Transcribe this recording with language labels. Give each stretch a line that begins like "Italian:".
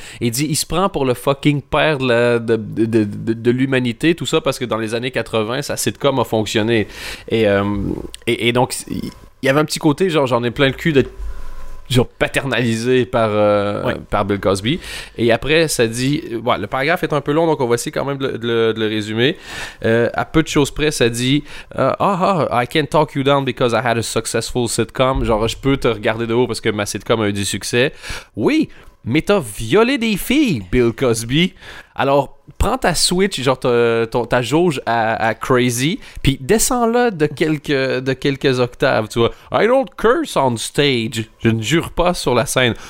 French: Et dit, il se prend pour le fucking père de l'humanité, tout ça, parce que dans les années 80, sa sitcom a fonctionné. Et donc... Il y avait un petit côté, genre, j'en ai plein le cul d'être genre paternalisé par, par Bill Cosby. Et après, ça dit... Bon, le paragraphe est un peu long, donc on va essayer quand même de le résumer. À peu de choses près, ça dit...
English: I can't talk you down because I had a successful sitcom.
French: Genre, je peux te regarder de haut parce que ma sitcom a eu du succès. Oui, mais t'as violé des filles, Bill Cosby. Alors... Prends ta switch, genre ta jauge à crazy, puis descends-la de quelques octaves, tu vois.
English: I don't curse on stage.
French: Je ne jure pas sur la scène.